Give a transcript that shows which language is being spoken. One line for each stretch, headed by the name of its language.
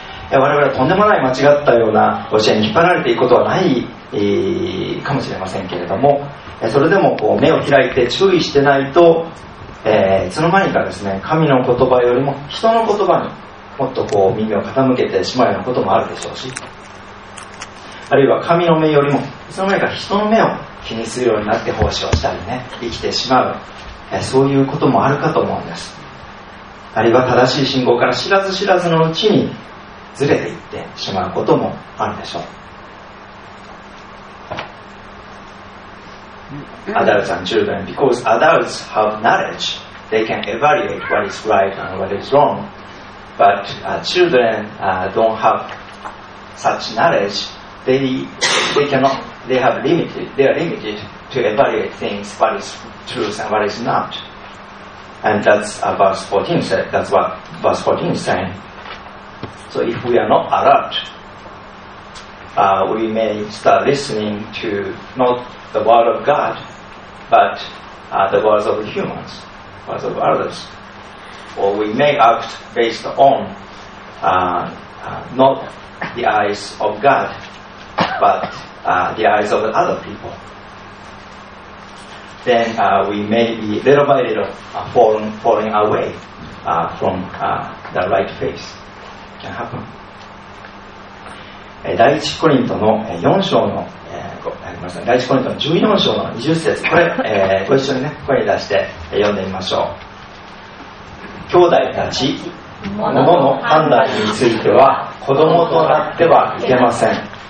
Japanese: 我々はとんでもない間違ったような教えに引っ張られていくことはないかもしれませんけれども、それでもこう目を開いて注意してないと、いつの間にかですね、神の言葉よりも人の言葉にもっとこう耳を傾けてしまうようなこともあるでしょうし、あるいは神の目よりもいつの間にか人の目を気にするようになって奉仕をしたりね、生きてしまう、そういうこともあるかと思うんです。あるいは正しい信仰から知らず知らずのうちにずれていってしまうこともあるでしょう。
English: Adults and children, because adults have knowledge, they can evaluate what is right and what is wrong. But children don't have such knowledge. They are limited to evaluate things, what is truth and what is not. And that's what verse 14 is saying. So if we are not adult, we may start listening to notthe word of God, but the words of humans, words of others. Or we may act based on not the eyes of God, but the eyes of other people. Then we may be little by little falling away from the right faith. It can happen.
Japanese: 第一コリントの4章の第1コリントの14章の20節、これ、ご一緒に、ね、声に出して読んでみましょう。兄弟たち、物の判断については子供となってはいけません。